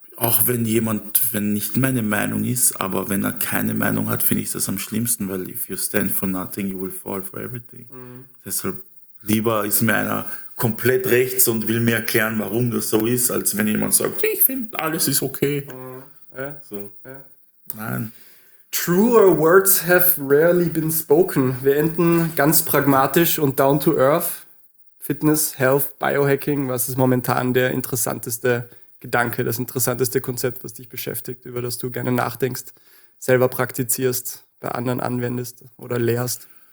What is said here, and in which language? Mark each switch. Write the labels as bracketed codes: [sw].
[de] Auch wenn jemand, wenn nicht meine Meinung ist, aber wenn er keine Meinung hat, finde ich das am schlimmsten, weil [en] if you stand for nothing, you will fall for everything. [de] Mhm. Deshalb lieber ist mir einer komplett rechts und will mir erklären, warum das so ist, als wenn jemand sagt, ich finde, alles ist okay. Nein. [en] Truer words have rarely been spoken. [de] Wir enden ganz pragmatisch und [en] down to earth. [de] Fitness, Health, Biohacking, was ist momentan der interessanteste Gedanke, das interessanteste Konzept, was dich beschäftigt, über das du gerne nachdenkst, selber praktizierst, bei anderen anwendest oder lehrst?